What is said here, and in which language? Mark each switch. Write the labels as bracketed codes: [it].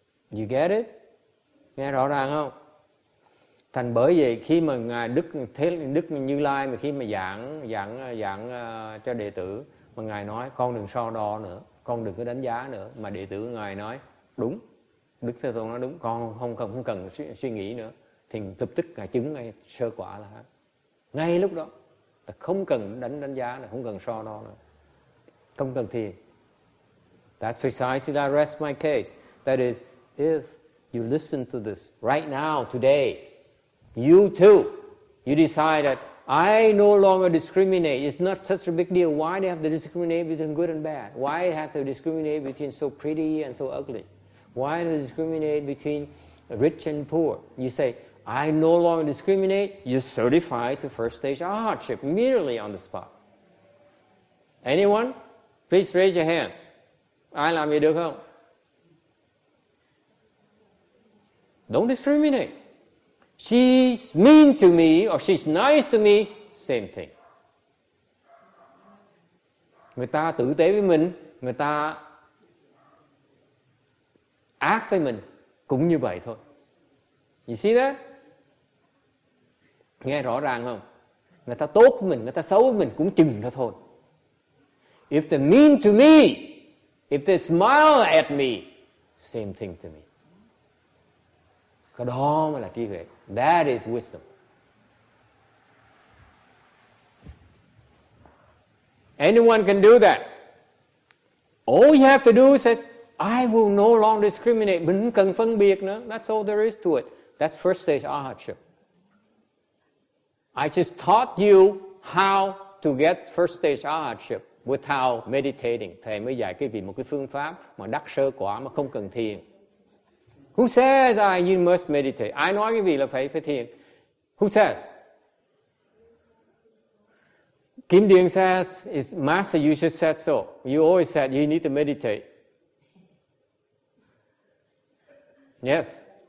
[en] You get it? [vi] Nghe rõ ràng không? Thành bởi vậy khi mà ngài Đức Như Lai mà khi mà giảng cho đệ tử mà ngài nói con đừng so đo nữa, con đừng có đánh giá nữa, mà đệ tử ngài nói đúng, Đức Thế Tôn nói đúng, con không cần suy nghĩ nữa, thì tập tức ngài chứng ngay sơ quả là ngay lúc đó là không cần đánh giá nữa, không cần so đo nữa, không cần thiền. [en] That's precisely I rest my case. That is, if you listen to this right now, today, you too, you decide that I no longer discriminate. It's not such a big deal. Why do you have to discriminate between good and bad? Why do you have to discriminate between so pretty and so ugly? Why do you discriminate between rich and poor? You say, I no longer discriminate. You're certified to first stage ahatship immediately on the spot. Anyone? Please raise your hands. [vi] Ai làm gì được không? [en] Don't discriminate. She's mean to me or she's nice to me, same thing. [vi] Người ta tử tế với mình, người ta ác với mình, cũng như vậy thôi. [en] You see that? [vi] Nghe rõ ràng không? Người ta tốt với mình, người ta xấu với mình, cũng chừng đó thôi. [en] If they mean to me, if they smile at me, same thing to me. [vi] Cái đó mới là trí huệ. [en] That is wisdom. Anyone can do that. All you have to do is say, I will no longer discriminate. [vi] Mình cần phân biệt nữa. [en] That's all there is to it. That's first stage arahatship. I just taught you how to get first stage arahatship without meditating. [vi] Thầy mới dạy quý vị một cái phương pháp mà đắc sơ quả mà không cần thiền. [en] Who says you must meditate? [vi] Ai nói quý vị là phải phải thiền? [en] Who says? Kim Điền says, it's Master, you just said so. You always said you need to meditate. Yes.